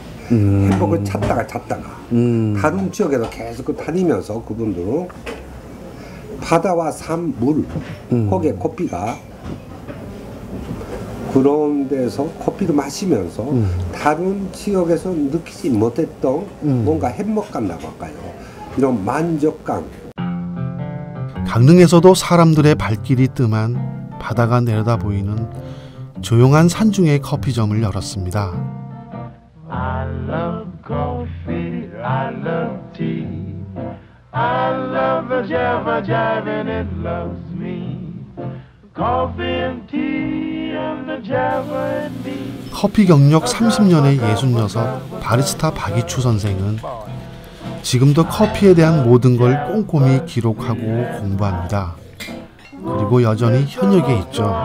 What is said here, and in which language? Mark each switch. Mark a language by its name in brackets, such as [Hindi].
[Korean] 햄버거를 찾다가 다른 지역에서 계속 다니면서 그분들은 바다와 산 물 거기에 커피가 그런 데서 커피를 마시면서 다른 지역에서 느끼지 못했던 뭔가 행복감이라고 할까요? 이런 만족감. 강릉에서도 사람들의 발길이 뜸한 바다가 내려다 보이는 조용한 산중에 커피점을 열었습니다. [English] I love coffee, I love tea, I love the java, java and it loves me. Coffee and tea. [Korean] 커피 경력 30년의 66 바리스타 박이추 선생은 지금도 커피에 대한 모든 걸 꼼꼼히 기록하고 공부합니다. 그리고 여전히 현역에 있죠.